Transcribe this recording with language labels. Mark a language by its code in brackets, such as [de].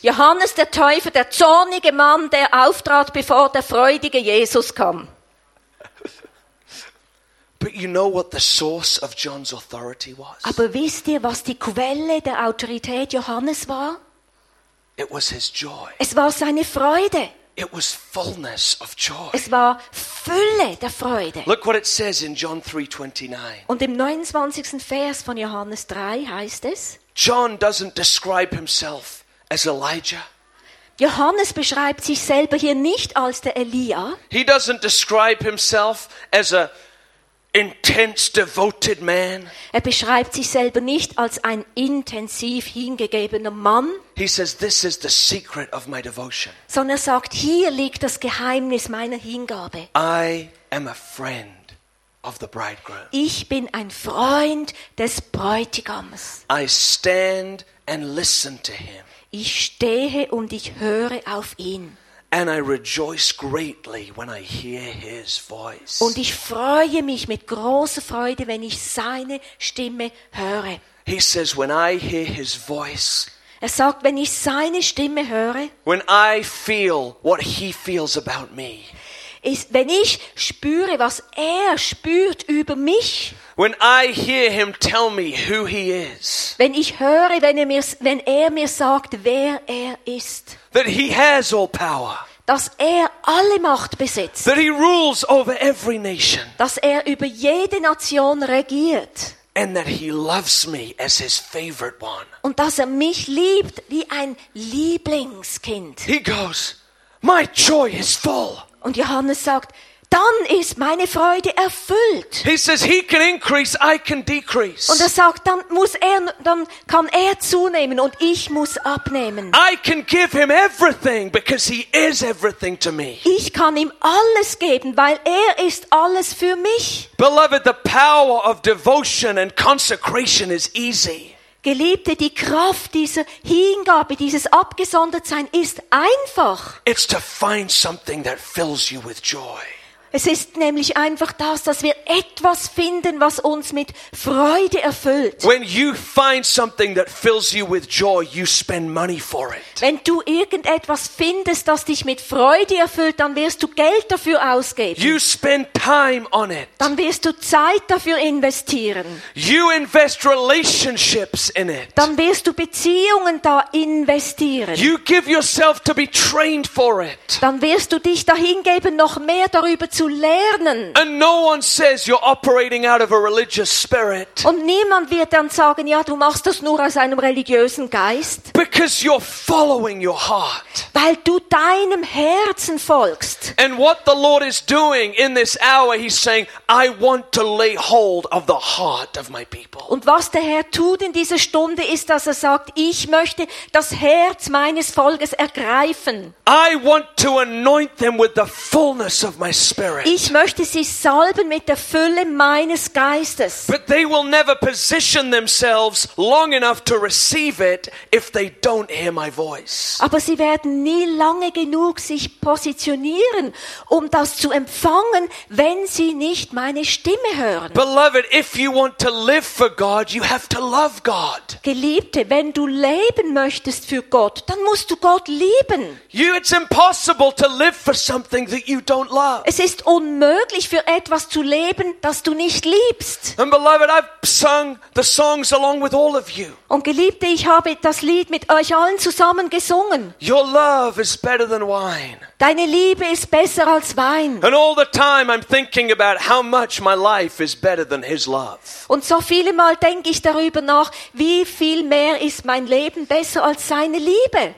[de] Johannes der Täufer, der zornige Mann, der auftrat bevor der freudige Jesus kam. [en] But you know what the source of John's authority was? [de] Aber wisst ihr, was die Quelle der Autorität Johannes war? [en] It was his joy. [de] Es war seine Freude. [en] It was fullness of joy. [de] Es war Fülle der Freude. [en] Look what it says in John 3:29. [de] Und im 29. Vers von Johannes 3 heißt es: [en] John doesn't describe himself as Elijah. [de] Johannes beschreibt sich selber hier nicht als der Elia. [en] He doesn't describe himself as an intense, devoted man. [de] Er beschreibt sich selber nicht als ein intensiv hingegebener Mann. [en] He says, "This is the secret of my devotion." [de] Sondern er sagt, hier liegt das Geheimnis meiner Hingabe. [en] I am a friend. Of the bridegroom. [de] Ich bin ein Freund des Bräutigams. [en] I stand and listen to him. [de] Ich stehe und ich höre auf ihn. [en] And I rejoice greatly when I hear his voice. [de] Und ich freue mich mit großer Freude, wenn ich seine Stimme höre. [en] He says, when I hear his voice. [de] Er sagt, wenn ich seine Stimme höre. [en] When I feel what he feels about me. [de] Ist, wenn ich spüre, was er spürt über mich. [en] When I hear him tell me who he is. [de] Wenn ich höre, wenn er mir sagt, wer er ist. [en] That he has all power. [de] Dass er alle Macht besitzt. [en] That he rules over every nation. [de] Dass er über jede Nation regiert. [en] And that he loves me as his favorite one. [de] Und dass er mich liebt wie ein Lieblingskind. [en] He goes, my joy is full. [de] Und Johannes sagt, dann ist meine Freude erfüllt. [en] He says, he can increase, I can decrease. [de] Und er sagt, dann kann er zunehmen und ich muss abnehmen. [en] I can give him everything because he is everything to me. [de] Ich kann ihm alles geben, weil er ist alles für mich. [en] Beloved, the power of devotion and consecration is easy. [de] Geliebte, die Kraft dieser Hingabe, dieses Abgesondertsein ist einfach. [en] It's to find something that fills you with joy. [de] Es ist nämlich einfach das, dass wir etwas finden, was uns mit Freude erfüllt. [en] When you find something that fills you with joy, you spend money for it. [de] Wenn du irgendetwas findest, das dich mit Freude erfüllt, dann wirst du Geld dafür ausgeben. [en] You spend time on it. [de] Dann wirst du Zeit dafür investieren. [en] You invest relationships in it. [de] Dann wirst du Beziehungen da investieren. [en] You give yourself to be trained for it. [de] Dann wirst du dich dahingeben, noch mehr darüber zu lernen. [en] And no one says you're operating out of a religious spirit. [de] Und niemand wird dann sagen, ja, du machst das nur aus einem religiösen Geist. [en] Because you're following your heart. [de] Weil du deinem Herzen folgst. [en] And what the Lord is doing in this hour, he's saying, I want to lay hold of the heart of my people. [de] Und was der Herr tut in dieser Stunde ist, dass er sagt, ich möchte das Herz meines Volkes ergreifen. [en] I want to anoint them with the fullness of my Spirit. [de] Ich möchte sie salben mit der Fülle meines Geistes. [en] But they will never position themselves long enough to receive it if they don't hear my voice. [de] Aber sie werden nie lange genug sich positionieren, um das zu empfangen, wenn sie nicht meine Stimme hören. [en] Beloved, if you want to live for God, you have to love God. [de] Geliebte, wenn du leben möchtest für Gott, dann musst du Gott lieben. [en] It's impossible to live for something that you don't love. [de] Es ist unmöglich, für etwas zu leben, das du nicht liebst. [en] And beloved, I've sung the songs along with all of you. [de] Und Geliebte, ich habe das Lied mit euch allen zusammen gesungen. [en] Your love is better than wine. [de] Deine Liebe ist besser als Wein. [en] And all the time I'm thinking about how much my life is better than his love. [de] Und so viele Mal denke ich darüber nach, wie viel mehr ist mein Leben besser als seine Liebe.